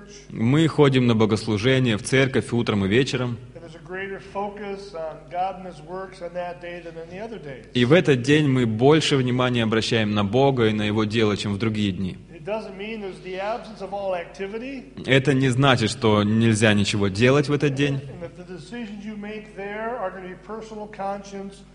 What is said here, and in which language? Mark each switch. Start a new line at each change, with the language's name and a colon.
Russian: Мы ходим на богослужение в церковь утром и вечером.
English: greater focus on God and His works on that day than in the other days.
Russian: И в этот день мы больше внимания обращаем на Бога и на Его дело, чем в другие дни.
English: It doesn't mean there's the absence of all activity.
Russian: Это не значит, что нельзя ничего делать в этот день.
English: And that the decisions you make there are going to be personal conscience.